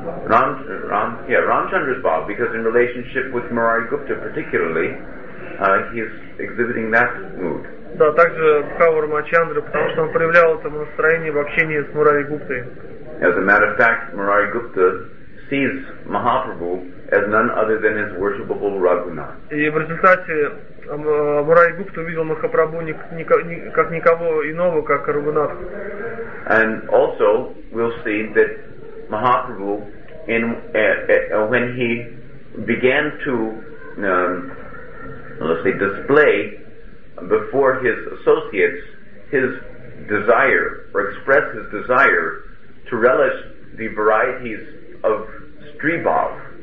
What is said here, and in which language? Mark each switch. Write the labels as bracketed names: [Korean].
[English] Рамчандра's bhav, because in relationship with Murari Gupta particularly, he is exhibiting that mood. [Russian] Да, также бхаву Рамачандра, потому что он проявлял это настроение в общении с Мурари Гуптой. [English] As a matter of fact, Murari Gupta sees Mahaprabhu as none other than his worshipable Raghunath. [Russian] И в результате Мурари-гупта увидел Махапрабху как никого иного, как Рагунатху. [English] And also we'll see that Mahaprabhu, in when he began to let's say display before his associates his desire or express his desire to relish the varieties of stribhav.